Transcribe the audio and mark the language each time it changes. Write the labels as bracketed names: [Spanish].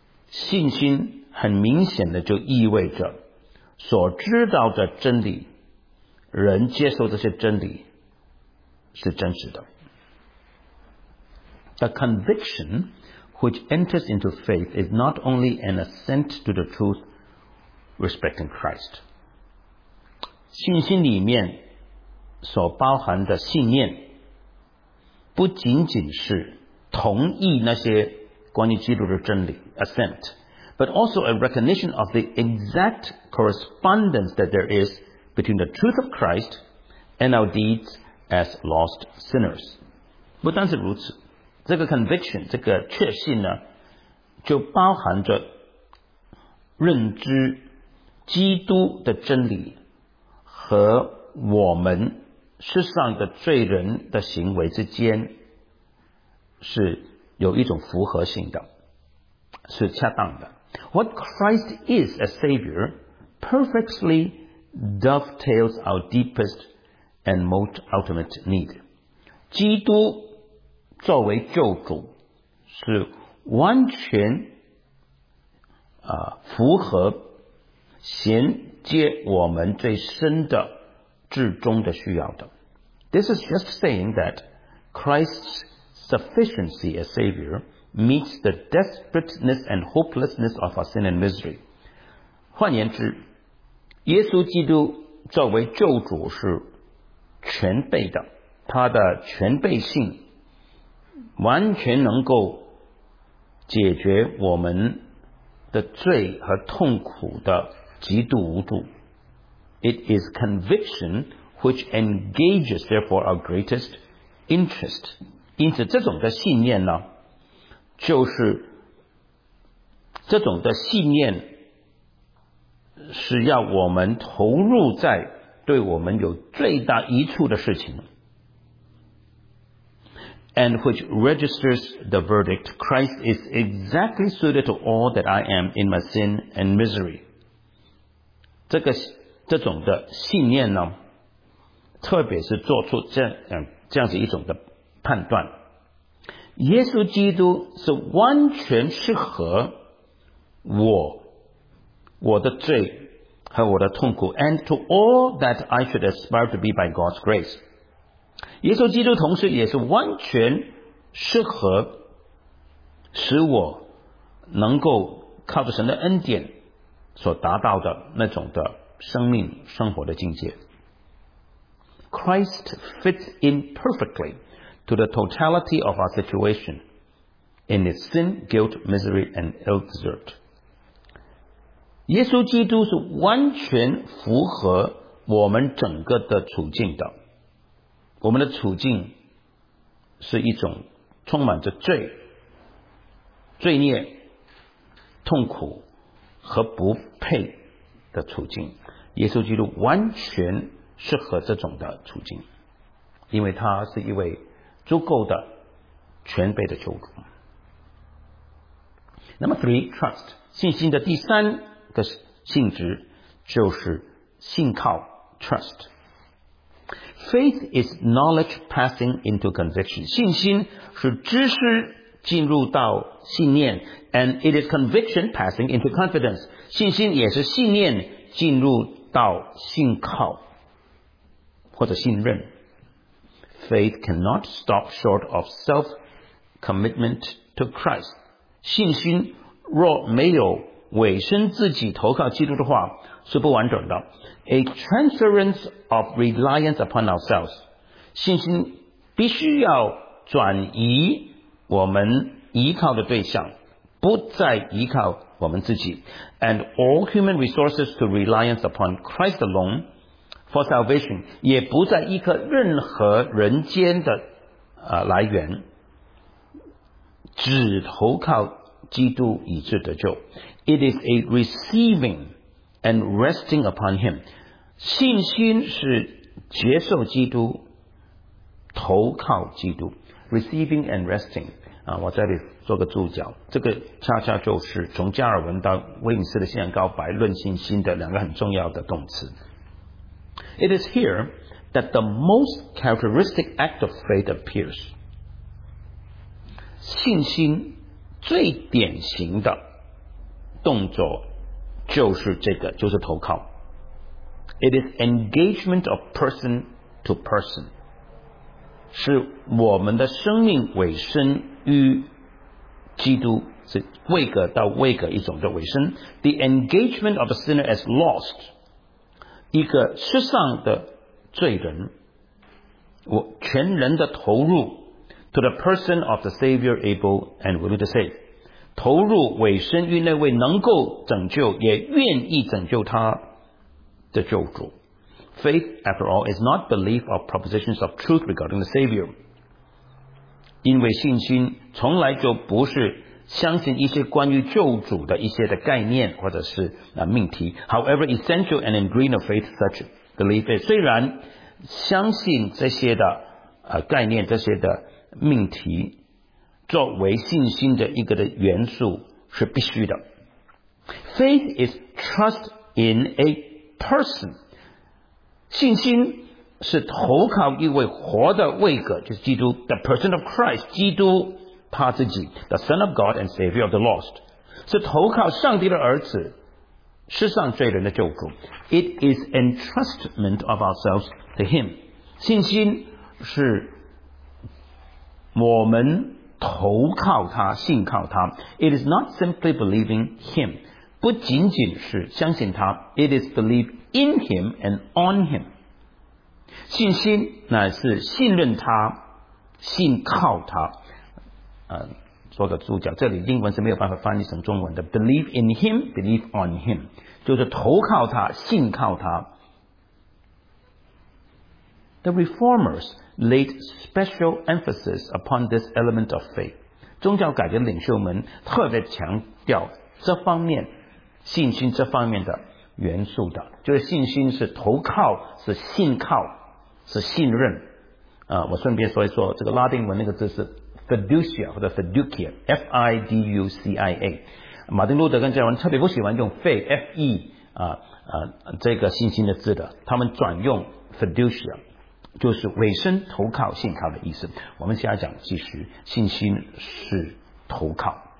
[Chinese] 信心很明显的就意味着所知道的真理，人接受这些真理是真实的。 [English] The conviction which enters into faith is not only an assent to the truth respecting Christ. [Chinese] 信心里面所包含的信念不仅仅是同意那些关于基督的真理 [English] assent, but also a recognition of the exact correspondence that there isbetween the truth of Christ and our deeds as lost sinners. [Chinese] 不单是如此，这个 conviction, 这个确信呢，就包含着认知基督的真理和我们世上的罪人的行为之间是有一种符合性的，是恰当的。 [English] What Christ is as Savior perfectlyDovetails our deepest and most ultimate need. [Chinese] 基督作为救主是完全符合衔接我们最深的至终的需要的。 [English] This is just saying that Christ's sufficiency as Savior meets the desperateness and hopelessness of our sin and misery. [Chinese] 换言之，耶稣基督作为救主是全备的，他的全备性完全能够解决我们的罪和痛苦的极度无助。 [English] It is conviction which engages, therefore, our greatest interest. [Chinese] 因此，这种的信念呢，就是这种的信念是要我们投入在对我们有最大益处的事情。 [English] And which registers the verdict, Christ is exactly suited to all that I am in my sin and misery. [Chinese] 这种的信念呢，特别是做出这样子一种的判断，耶稣基督是完全适合我的罪和我的痛苦 ， [English] and to all that I should aspire to be by God's grace。 [Chinese] 耶稣基督同时也是完全适合使我能够靠着神的恩典所达到的那种的生命生活的境界。 [English] Christ fits in perfectly to the totality of our situation in its sin, guilt, misery, and ill desert. [Chinese] 耶稣基督是完全符合我们整个的处境的。我们的处境是一种充满着罪孽、痛苦和不配的处境。耶稣基督完全适合这种的处境，因为他是一位足够的全备的救主。那么 [English] three, trust, [Chinese] 信心的第三个性质就是信靠 trust。 [English] Faith is knowledge passing into conviction. [Chinese] 信心是知识进入到信念 [English] ，and it is conviction passing into confidence. [Chinese] 信心也是信念进入到信靠或者信任。 [English] Faith cannot stop short of self-commitment to Christ. [Chinese] 信心若没有委身自己投靠基督的话，是不完整的。 [English] A transference of reliance upon ourselves. [Chinese] 信心必须要转移我们依靠的对象，不再依靠我们自己。 [English] And all human resources to reliance upon Christ alone for salvation. [Chinese] 也不再依靠任何人间的来源，只投靠基督以致得救。 [English] It is a receiving and resting upon him. [Chinese] 信心是接受基督，投靠基督。 [English] Receiving and resting. [Chinese] 我这里做个注脚。这个恰恰就是从加尔文到威尼斯的信仰告白论信心的两个很重要的动词。 [English] It is here that the most characteristic act of faith appears. [Chinese] 信心最典型的动作就是这个，就是投靠。 [English] It is engagement of person to person， [Chinese] 是我们的生命委身于基督，是位格到位格一种的委身。 [English] The engagement of a sinner as lost， [Chinese] 一个失丧的罪人，我全人的投入 [English] to the person of the Savior able and willing to save。 [Chinese] 投入委身于那位能够拯救也愿意拯救他的救主。 [English] Faith, after all, is not belief of propositions of truth regarding the Savior. [Chinese] 因为信心从来就不是相信一些关于救主的一些的概念或者是命题。 [English] However, essential and ingrained of faith such belief is. [Chinese] 虽然相信这些的概念这些的命题作为信心的一个的元素是必须的。 [English] Faith is trust in a person. [Chinese] 信心是投靠一位活的位格，就是基督 ， [English] the person of Christ， [Chinese] 基督他自己 ， [English] the Son of God and Savior of the lost， [Chinese] 是投靠上帝的儿子，世上罪人的救主。 [English] It is entrustment of ourselves to Him. [Chinese] 信心是我们投靠他，信靠他。 [English] It is not simply believing him， [Chinese] 不仅仅是相信他。 [English] It is believe in him and on him。 [Chinese] 信心乃是信任他，信靠他。说个注脚，这里英文是没有办法翻译成中文的。 [English] Believe in him, believe on him， [Chinese] 就是投靠他，信靠他。 [English] The reformers laid special emphasis upon this element of faith。 [Chinese] 宗教改革领袖们特别强调这方面信心这方面的元素的，就是信心是投靠，是信靠，是信任。我顺便说一说，这个拉丁文那个字是 fiducia 或者 fiducia， F I D U C I A。马丁路德跟加尔文特别不喜欢用 faith， F E 这个信心的字的，他们转用 fiducia。就是委身投靠信靠的意思。我们下一讲继续，信心是投靠。